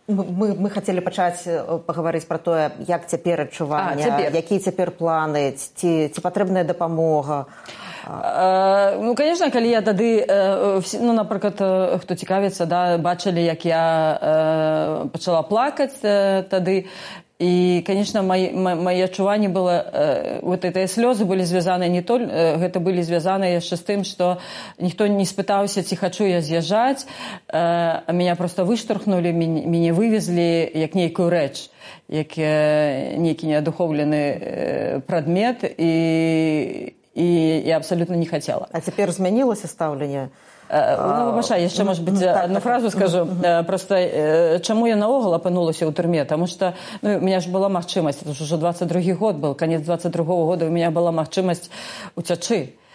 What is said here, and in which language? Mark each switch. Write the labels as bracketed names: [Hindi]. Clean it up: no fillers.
[Belarusian] Мы хацелі пачаць пагаварыць пра тое, як цяпер адчуванне, якія цяпер планы, ці патрэбная дапамога. Ну, канешна, калі я тады, ну, напрыклад, хто цікавіцца, да, бачылі, як я пачала плакаць тады, [Russian] И, конечно, мои чувания были, вот эти слезы были связаны не только, это были связаны еще с тем, что никто не спытался, если хочу я съезжать, меня просто выштурхнули, меня вывезли, как некую речь, как некий неодуховленный предмет, и я абсолютно не хотела. А теперь изменилось ставление? [Ukrainian] Ну, Маша, я ще, може бути, одну фразу скажу. Просто, чому я наогул опинулася у тюрмі? Тому що, ну, у мене ж була можливість, тому що вже 22-й рік був, кінець 22-го року у мене була можливість утечі.